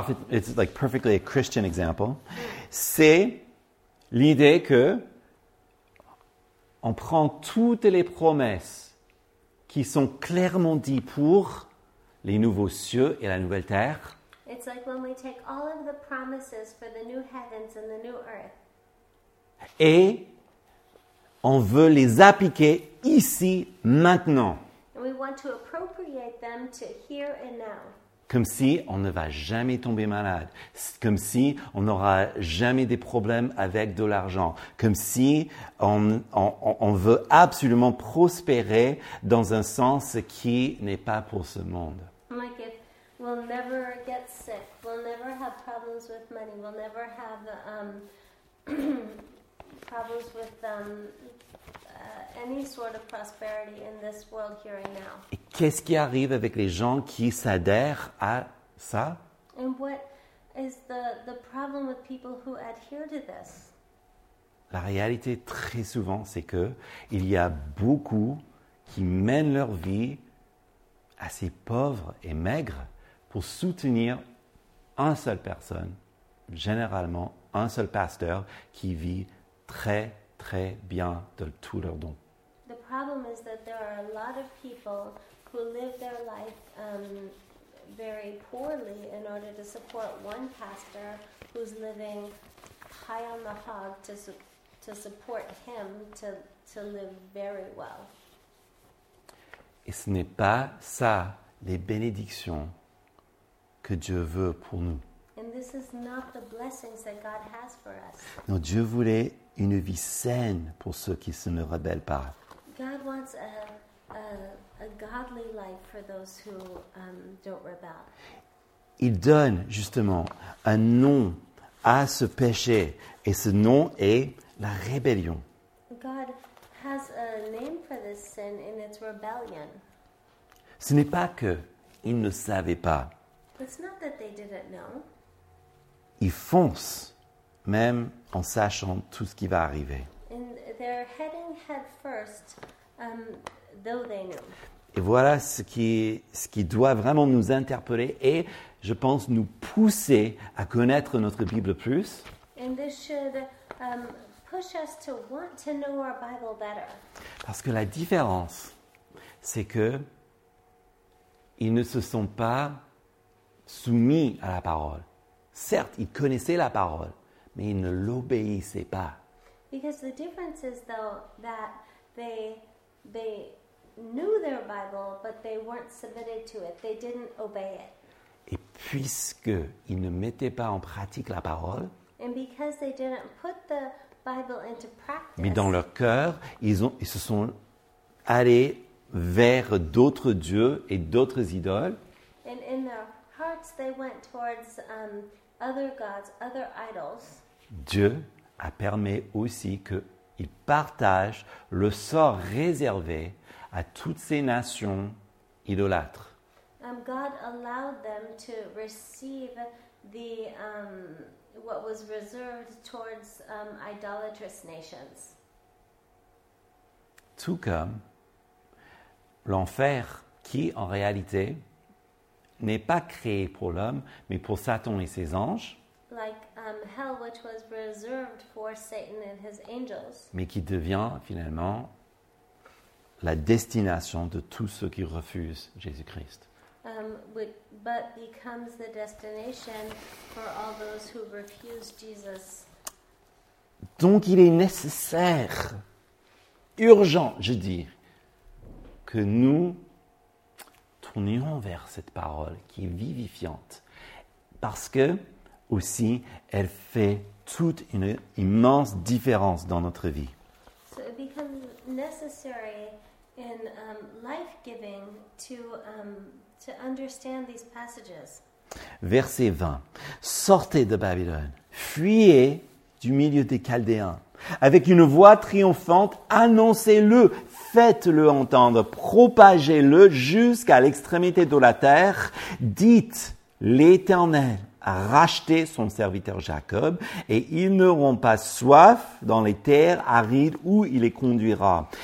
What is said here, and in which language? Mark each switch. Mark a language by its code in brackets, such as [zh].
[en] It's like perfectly a Christian example. [fr] C'est l'idée que on prend toutes les promesses qui sont clairement dites pour les nouveaux cieux et la nouvelle terre. [en] It's like when we take all of the promises for the new heavens and the new earth. [fr] Et on veut les appliquer ici, maintenant. [en] We want to appropriate them to here and now. [fr] Comme si on ne va jamais tomber malade. Comme si on n'aura jamais des problèmes avec de l'argent. Comme si on veut absolument prospérer dans un sens qui n'est pas pour ce monde. [en] Like if we'll never get sick, we'll never have problems with money, we'll never have problems with any sort of prosperity in this world here and now. [fr] Et qu'est-ce qui arrive avec les gens qui s'adhèrent à ça? [en] And what is the problem with people who adhere to this? [fr] La réalité très souvent c'est que il y a beaucoup qui mènent leur vie assez pauvre et maigre pour soutenir une seule personne, généralement un seul pasteur qui vit très très bien de tous leurs dons. [en] The problem is that there are a lot of people who live their life very poorly in order to support one pastor who's living high on the hog to support him to live very well. [fr] Et ce n'est pas ça les bénédictions que Dieu veut pour nous. [en] And this is not the blessings that God has for us. [fr] Non, Dieu voulait une vie saine pour ceux qui se ne rebellent pas. [en] God wants a godly life for those who don't rebel. [fr] Il donne justement un nom à ce péché et ce nom est la rébellion. [en] God has a name for this sin and it's rebellion. [fr] Ce n'est pas que ils ne savaient pas. [en] It's not that they didn't know. [fr] Ils foncent même en sachant tout ce qui va arriver. [en] And they're heading head first, though they knew. [fr] Et voilà ce qui doit vraiment nous interpeller et je pense nous pousser à connaître notre Bible plus. [en] And this should push us to want to know our Bible better. [fr] Parce que la différence, c'est que ils ne se sont pas soumis à la parole. Certes, ils connaissaient la parole, mais ils ne l'obéissaient pas. [en] Because the difference is though that they knew their Bible, but they weren't submitted to it. They didn't obey it. [fr] Et puisque ils ne mettaient pas en pratique la parole, [en] and because they didn't put the Bible into practice, [fr] mais dans leur cœur, ils se sont allés vers d'autres dieux et d'autres idoles. [en] And in their hearts, they went towards other gods, other idols. [fr] Dieu a permis aussi qu'ils partagent le sort réservé à toutes ces nations idolâtres. [en] God allowed them to receive the what was reserved towards idolatrous nations. [fr] Tout comme l'enfer qui en réalité n'est pas créé pour l'homme mais pour Satan et ses anges. [en] Like hell which was reserved for Satan and his angels. [fr] Mais qui devient finalement la destination de tous ceux qui refusent Jésus-Christ. [en] But becomes the destination for all those who refuse Jesus. [fr] Donc il est nécessaire, urgent, je dis, que nous tournions vers cette parole qui est vivifiante. Parce que, aussi, elle fait toute une immense différence dans notre vie. [en] So it becomes necessary in life-giving to understand these passages. [fr] Verset 20. Sortez de Babylone, fuyez du milieu des Chaldéens. Avec une voix triomphante, annoncez-le, faites-le entendre, propagez-le jusqu'à l'extrémité de la terre. Dites, l'Éternel a racheté son serviteur Jacob et ils n'auront pas soif dans les terres arides où il les conduira.